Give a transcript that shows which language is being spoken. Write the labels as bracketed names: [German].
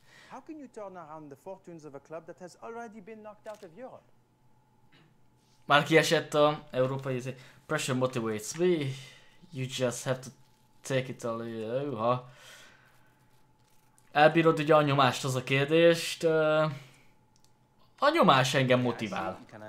[English] How can you turn around the fortunes of a club that has already been knocked out of Europe? [Hungarian] Már kiesett a európai izé. [English] Pressure motivates me. You just have to take it all. [Hungarian] Elbírod ugye a nyomást, az a kérdést. A nyomás engem motivál.